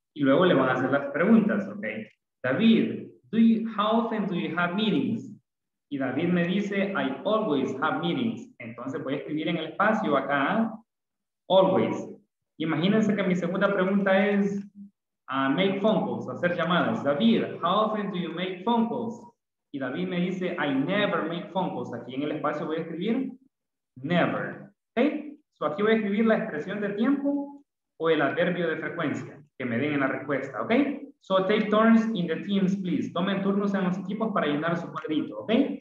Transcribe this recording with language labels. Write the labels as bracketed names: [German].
[Spanish] Y luego le van a hacer las preguntas, ok. David, [English] how often do you have meetings? [Spanish] Y David me dice, [English] I always have meetings. [Spanish] Entonces voy a escribir en el espacio acá, always. Imagínense que mi segunda pregunta es, [English] make phone calls, [Spanish] hacer llamadas. [English] David, how often do you make phone calls? [Spanish] Y David me dice, [English] I never make phone calls. [Spanish] Aquí en el espacio voy a escribir, never, ok. So aquí voy a escribir la expresión de tiempo o el adverbio de frecuencia que me den en la respuesta, ¿ok? [English] So take turns in the teams, please. [Spanish] Tomen turnos en los equipos para llenar su cuadrito, ¿ok?